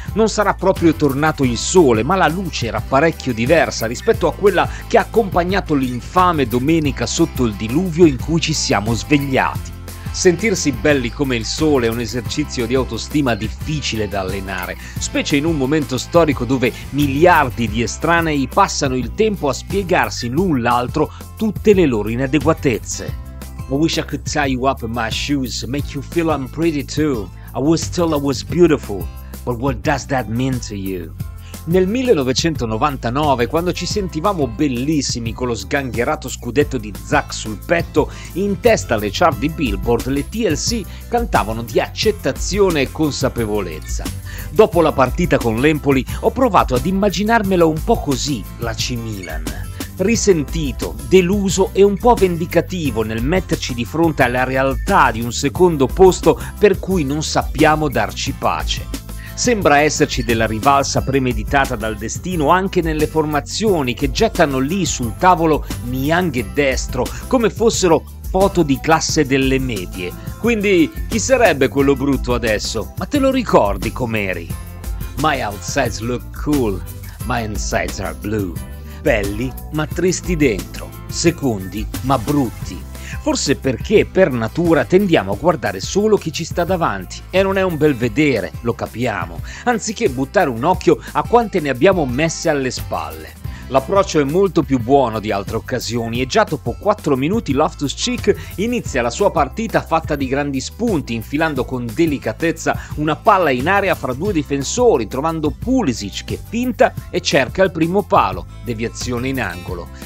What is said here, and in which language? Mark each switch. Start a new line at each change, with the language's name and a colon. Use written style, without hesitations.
Italian: Non sarà proprio tornato il sole, ma la luce era parecchio diversa rispetto a quella che ha accompagnato l'infame domenica sotto il diluvio in cui ci siamo svegliati. Sentirsi belli come il sole è un esercizio di autostima difficile da allenare, specie in un momento storico dove miliardi di estranei passano il tempo a spiegarsi l'un l'altro tutte le loro inadeguatezze.
English: I wish I could tie you up in my shoes, make you feel I'm pretty too. I was told I was beautiful, but what does that mean to you?
Italian: Nel 1999, quando ci sentivamo bellissimi con lo sgangherato scudetto di Zac sul petto, in testa alle chart di Billboard, le TLC cantavano di accettazione e consapevolezza. Dopo la partita con l'Empoli, ho provato ad immaginarmela un po' così, la AC Milan. Risentito, deluso e un po' vendicativo nel metterci di fronte alla realtà di un secondo posto per cui non sappiamo darci pace. Sembra esserci della rivalsa premeditata dal destino anche nelle formazioni che gettano lì sul tavolo Niang e Destro come fossero foto di classe delle medie. Quindi chi sarebbe quello brutto adesso? Ma te lo ricordi com'eri?
English: My outsides look cool, my insides are blue.
Italian: Belli ma tristi dentro, secondi ma brutti. Forse perché per natura tendiamo a guardare solo chi ci sta davanti e non è un bel vedere, lo capiamo, anziché buttare un occhio a quante ne abbiamo messe alle spalle. L'approccio è molto più buono di altre occasioni e già dopo 4 minuti Loftus Cheek inizia la sua partita fatta di grandi spunti, infilando con delicatezza una palla in area fra due difensori, trovando Pulisic che finta e cerca il primo palo, deviazione in angolo.